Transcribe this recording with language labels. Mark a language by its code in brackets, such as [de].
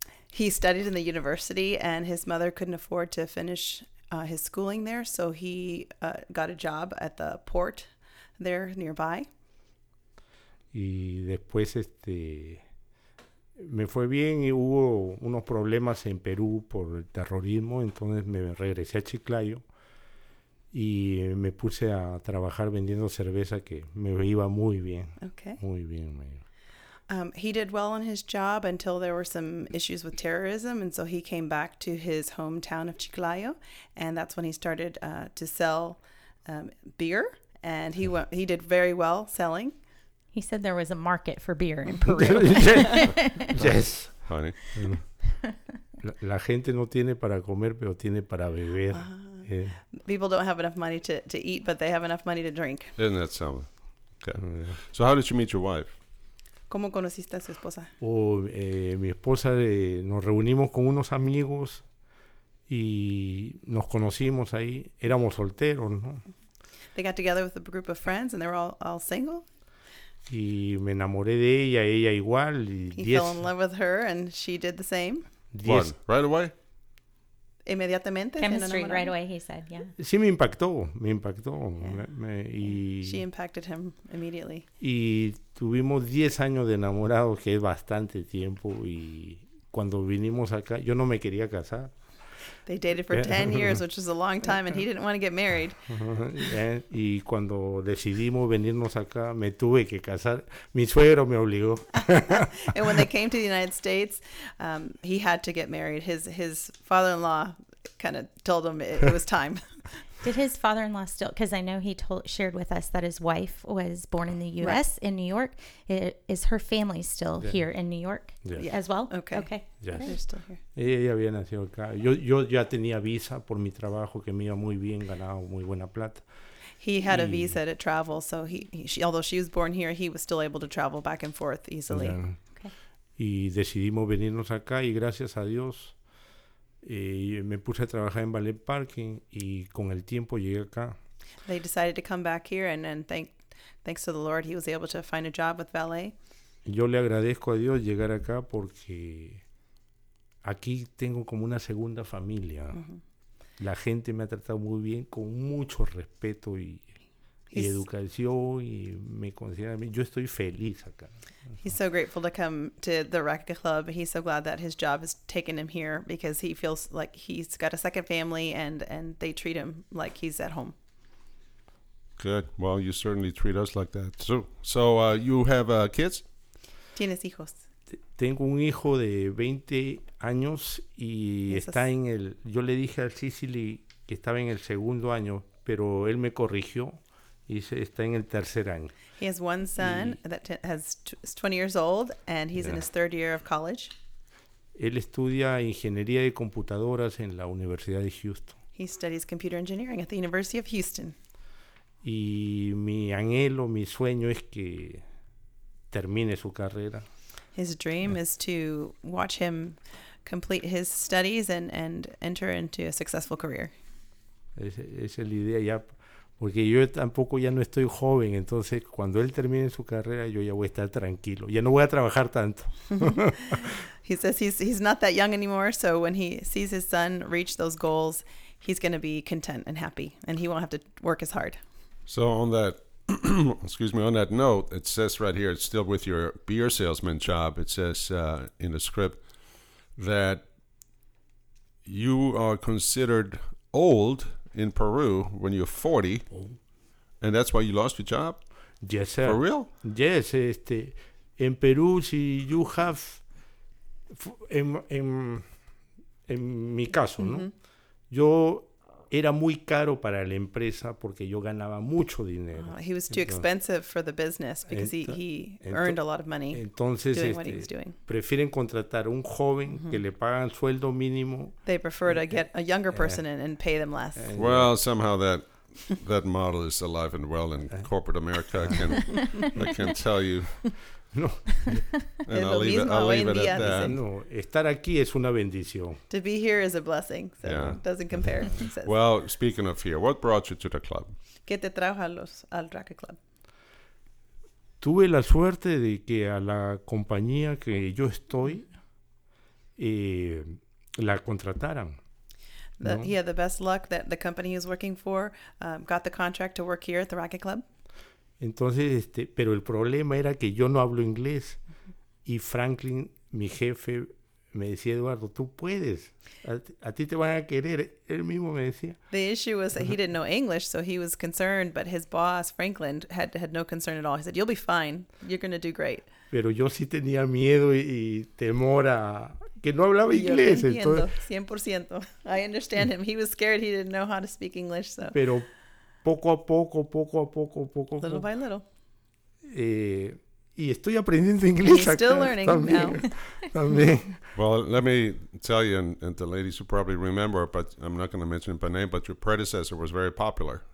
[en] He studied in the university, and his mother couldn't afford to finish his schooling there, so he got a job at the port there nearby. [es] Y después me fue bien y hubo unos problemas en Perú por el terrorismo, entonces me regresé a Chiclayo y me puse a trabajar vendiendo cerveza que me iba muy bien. [en] Okay. [es] Muy bien, me iba. [en] He did well on his job until there were some issues with terrorism, and so he came back to his hometown of Chiclayo, and that's when he started to sell beer, and he did very well selling. He said there was a market for beer in Peru. Yes. Honey. [es] La gente no tiene para comer, pero tiene para beber. [en] People don't have enough money to eat, but they have enough money to drink. Isn't that something? Okay. So how did you meet your wife? [es] ¿Cómo conociste a su esposa? Mi esposa, nos reunimos con unos amigos y nos conocimos ahí. Éramos solteros, ¿no? [en] They got together with a group of friends and they were all single. [es] Y me enamoré de ella, ella igual. [en] He fell in love with her and she did the same. One, right away? [es] Inmediatamente. [en] Chemistry, right away, he said, yeah. [es] Sí, me impactó. [en] Yeah. She impacted him immediately. [es] Y tuvimos 10 años de enamorados, que es bastante tiempo, y cuando vinimos acá, yo no me quería casar. [en] They dated for 10 years, which is a long time, and he didn't want to get married. [es] Y cuando decidimos venirnos acá, me tuve que casar. Mi suegro me obligó. [en] And when they came to the United States, he had to get married. His father-in-law kind of told him it was time. Did his father-in-law still, because I know he shared with us that his wife was born in the U.S. Right. in New York. Is her family still here in New York as well? Okay. Yes. They're still here. [es] Ella había nacido acá. Yo ya tenía visa por mi trabajo, que me iba muy bien, ganaba muy buena plata. [en] He had a visa to travel, so although she was born here, he was still able to travel back and forth easily. Yeah. [es] Okay. Y decidimos venirnos acá, y gracias a Dios... me puse a trabajar en Ballet Parking y con el tiempo llegué acá. [en] They decided to come back here and thanks to the Lord he was able to find a job with Ballet. [es] Yo le agradezco a Dios llegar acá porque aquí tengo como una segunda familia. Mm-hmm. La gente me ha tratado muy bien, con mucho respeto y y educación y me considera a mí. Yo estoy feliz acá. [en] He's so grateful to come to the Raqqa Club. He's so glad that his job has taken him here because he feels like he's got a second family and they treat him like he's at home. Good. Well, you certainly treat us like that too. So you have kids? Tienes hijos. Tengo un hijo de 20 años y está en el... Yo le dije al Sicily que estaba en el segundo año, pero él me corrigió y está en el tercer año. He has one son that is 20 years old and he's in his third year of college. Él estudia ingeniería de computadoras en la Universidad de Houston. He studies computer engineering at the University of Houston. Y mi anhelo, mi sueño es que termine su carrera. His dream is to watch him complete his studies and enter into a successful career. Es la idea ya, porque yo tampoco ya no estoy joven, entonces cuando él termine su carrera yo ya voy a estar tranquilo, ya no voy a trabajar tanto. He says he's not that young anymore, so when he sees his son reach those goals, he's going to be content and happy, and he won't have to work as hard. So on that on that note, it says right here, it's still with your beer salesman job, it says in the script that you are considered old in Peru when you're 40, and that's why you lost your job? Yes, sir. For real? Yes. In Peru, [es] si [en] you have, [es] en mi caso, mm-hmm. ¿no? Yo... Era muy caro para la empresa porque yo ganaba mucho dinero. [en] Oh, he was too expensive for the business because he earned a lot of money. [es] Entonces, [en] doing what he was doing. [es] Prefieren contratar un joven mm-hmm. que le pagan sueldo mínimo. [en] They prefer to get a younger person and pay them less. Well, somehow that model is alive and well in corporate America. I can tell you. No. And I'll leave it at that. [es] No, estar aquí es una bendición. [en] To be here is a blessing, so yeah. It doesn't compare. Well, speaking of here, what brought you to the club? [es] ¿Qué te trajo al Raqqa Club? Tuve la suerte de que a la compañía que yo estoy la contrataran. [en] He had the best luck that the company he was working for got the contract to work here at the Raqqa Club. [es] Entonces, pero el problema era que yo no hablo inglés. Y Franklin, mi jefe, me decía, Eduardo, tú puedes. A ti te van a querer. Él mismo me decía. [en] The issue was that he didn't know English, so he was concerned. But his boss, Franklin, had no concern at all. He said, you'll be fine. You're going to do great. [es] Pero yo sí tenía miedo y temor a... Que no hablaba inglés. Yo entiendo, 100%. [en] I understand him. He was scared he didn't know how to speak English, so... [es] Pero poco a poco, poco a poco, poco a poco. [en] Little by little. [es] Y estoy aprendiendo inglés. [en] He's still learning [es] también, [en] now. [es] También. [en] Well, let me tell you, and the ladies who probably remember, but I'm not going to mention him by name, but your predecessor was very popular.